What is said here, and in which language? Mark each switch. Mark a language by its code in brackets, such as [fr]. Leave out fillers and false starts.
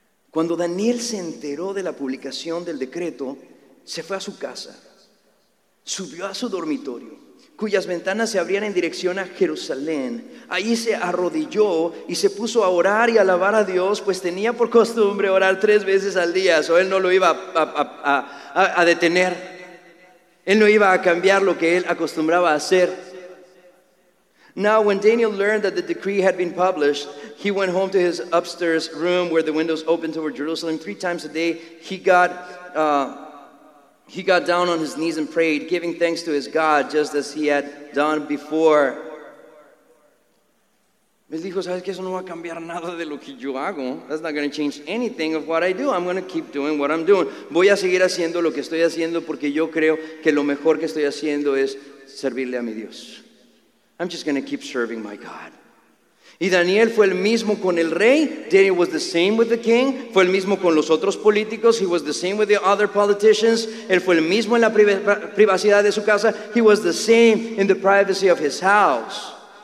[es] Cuando Daniel se enteró de la publicación del decreto, se fue a su casa, subió a su dormitorio, cuyas ventanas se abrían en dirección a Jerusalén. Ahí se arrodilló y se puso a orar y a alabar a Dios, pues tenía por costumbre orar tres veces al día. O él no lo iba a detener. Él no iba a cambiar lo que él acostumbraba a hacer. [en] Now when Daniel learned that the decree had been published, he went home to his upstairs room where the windows opened toward Jerusalem. Three times a day he got down on his knees and prayed, giving thanks to his God, just as he had done before. [es] Él dijo, ¿sabes qué? Eso no va a cambiar nada de lo que yo hago. [en] That's not going to change anything of what I do. I'm going to keep doing what I'm doing. [es] Voy a seguir haciendo lo que estoy haciendo porque yo creo que lo mejor que estoy haciendo es servirle a mi Dios. [en] I'm just going to keep serving my God. [es] Y Daniel fue el mismo con el rey. [en] Daniel was the same with the king. [es] Fue el mismo con los otros políticos. [en] He was the same with the other politicians. [es] Él fue el mismo en la privacidad de su casa. [en] He was the same in the privacy of his house.